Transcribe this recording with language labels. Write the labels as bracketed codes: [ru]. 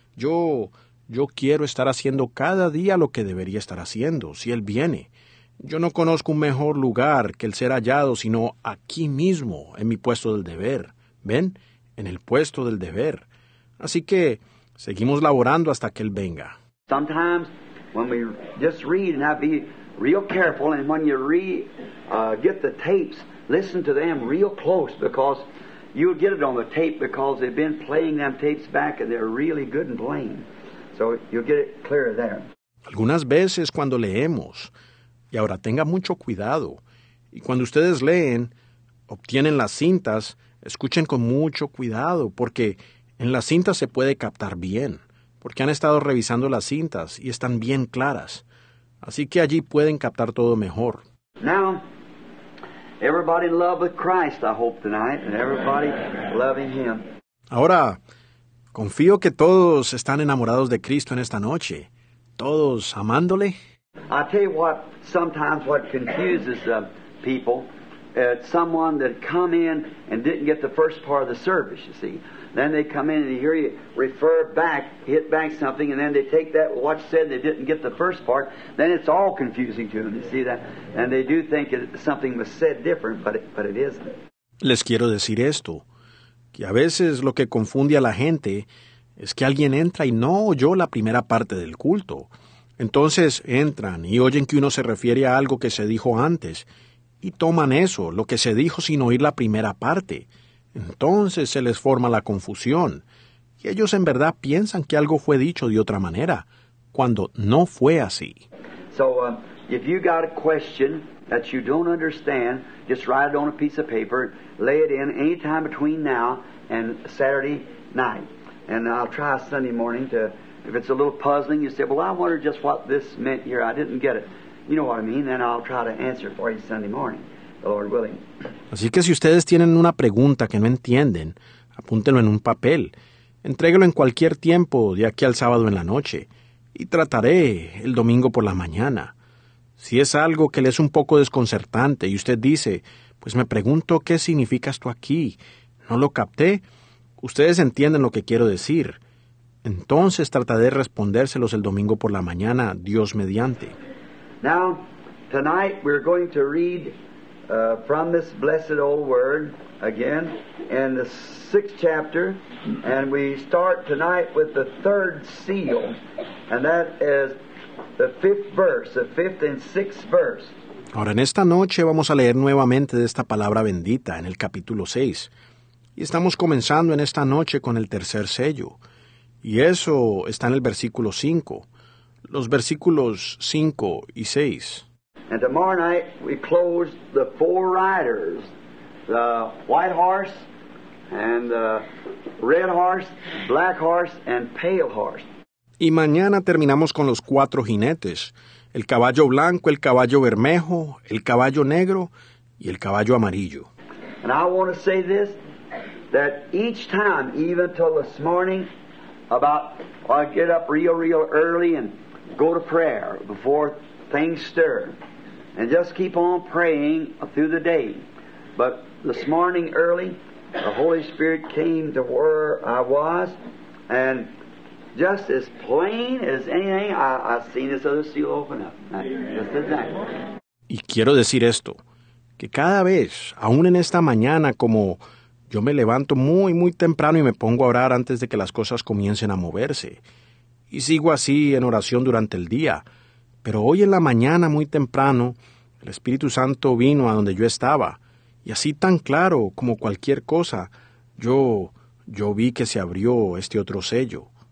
[es] Yo quiero estar haciendo cada día lo que debería estar haciendo si él viene. Yo no conozco un mejor lugar que el ser hallado, sino aquí mismo, en mi puesto del deber. ¿Ven? En el puesto del deber. Así que, seguimos laborando hasta que él venga. [en] Sometimes, when we just read, and I be real careful, and when you read, get the tapes, listen to them real close, because you'll get it on the tape, because they've been playing them tapes back, and they're really good and plain. So, you'll get it clear there. [es] Algunas veces, cuando leemos... Y ahora, tenga mucho cuidado. Y cuando ustedes leen, obtienen las cintas, escuchen con mucho cuidado, porque en las cintas se puede captar bien, porque han estado revisando las cintas y están bien claras. Así que allí pueden captar todo mejor. [en] Now, everybody in love with Christ, I hope tonight, and everybody loving him. [es] Ahora, confío que todos están enamorados de Cristo en esta noche. Todos amándole. [en] I tell you what, sometimes what confuses people, someone that come in and didn't get the first part of the service, you see. Then they come in and they hear you refer back, hit back something, and then they take that what you said they didn't get the first part, then it's all confusing to them, you see that. And they do think that something was said different, but it isn't. [es] Les quiero decir esto, que a veces lo que confunde a la gente es que alguien entra y no oyó la primera parte del culto. Entonces entran y oyen que uno se refiere a algo que se dijo antes y toman eso, lo que se dijo sin oír la primera parte. Entonces se les forma la confusión y ellos en verdad piensan que algo fue dicho de otra manera, cuando no fue así. [en] So, if you got a question that you don't understand, just write it on a piece of paper, lay it in any time between now and Saturday night. And I'll try Sunday morning to... If it's a little puzzling, you say, well, I wonder just what this meant here. I didn't get it. You know what I mean? Then I'll try to answer for you Sunday morning, the Lord willing. [es] Así que si ustedes tienen una pregunta que no entienden, apúntenlo en un papel. Entréguelo en cualquier tiempo, de aquí al sábado en la noche. Y trataré el domingo por la mañana. Si es algo que le es un poco desconcertante y usted dice, pues me pregunto qué significa esto aquí. No lo capté. Ustedes entienden lo que quiero decir. Entonces trataré de respondérselos el domingo por la mañana, Dios mediante. [en] Now, tonight we're going to read from this blessed old word again in the sixth chapter, and we start tonight with the third seal, and that is the fifth verse, the fifth and sixth verse. [es] Ahora en esta noche vamos a leer nuevamente de esta palabra bendita en el capítulo 6. Y estamos comenzando en esta noche con el tercer sello. Y eso está en el versículo 5. Los versículos 5 y 6. [en] And tomorrow night we close the four riders, the white horse and the red horse, black horse and pale horse. [es] Y mañana terminamos con los cuatro jinetes. El caballo blanco, el caballo bermejo, el caballo negro y el caballo amarillo. [en] And I want to say this, that each time, even till this morning, about I get up real early and go to prayer before things stir, and just keep on praying through the day. But this morning early, the Holy Spirit came to where I was, and just as plain as anything, I've seen this other seal open up. Just exactly. [es] Y quiero decir esto, que cada vez, aún en esta mañana, como yo me levanto muy, muy temprano y me pongo a orar antes de que las cosas comiencen a moverse, y sigo así en oración durante el día, pero hoy en la mañana, muy temprano, el Espíritu Santo vino a donde yo estaba, y así tan claro como cualquier cosa, yo vi que se abrió este otro sello.